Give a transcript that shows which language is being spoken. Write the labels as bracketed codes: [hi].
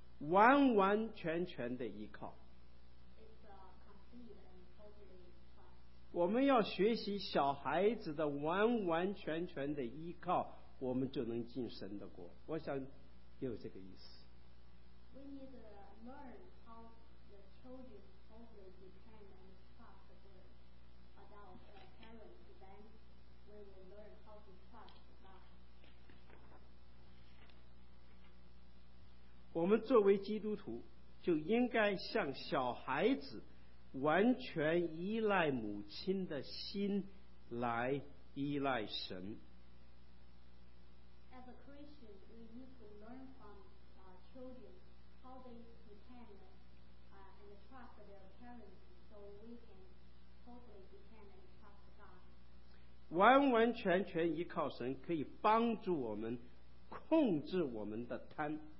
[zh] 完完全全的依靠。我们要学习小孩子的完完全全的依靠，我们就能进神的国。我想有这个意思。 [en] We need to learn how the children totally depend and trust the adult parents, then we will learn how to trust God. [zh] 我们作为基督徒，就应该像小孩子完全依赖母亲的心来依赖神。 [en] As a Christian, we need to learn from children how they depend and trust their parents, so we can totally depend and trust God. [zh] 完完全全依靠神，可以帮助我们控制我们的贪。